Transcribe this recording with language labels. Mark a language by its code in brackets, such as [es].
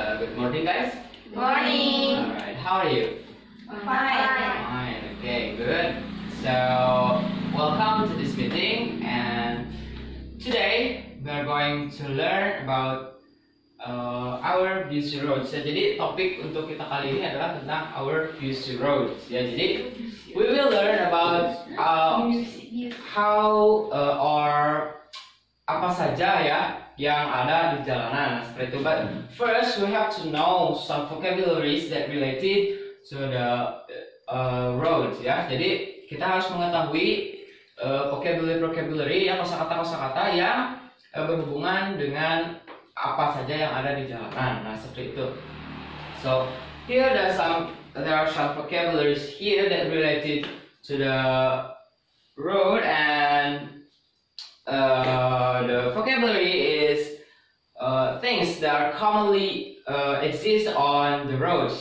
[en] Good morning, guys. Morning. Alright, how are you? Fine. Okay, good. So, welcome to this meeting, and today we are going to learn about our busy roads. [id] Ya, jadi topik untuk kita kali ini adalah tentang [en] our busy roads. [id] Ya, jadi [en] we will learn about how [id] or apa saja ya yang ada di jalanan. Seperti itu. [en] But first we have to know some vocabularies that related to the roads. [id] Ya, jadi kita harus mengetahui vocabulary ya, kosakata yang berhubungan dengan apa saja yang ada di jalanan. Nah, seperti itu. [en] So, here there are some vocabularies here that related to the road, and the vocabulary is things that are commonly exist on the roads.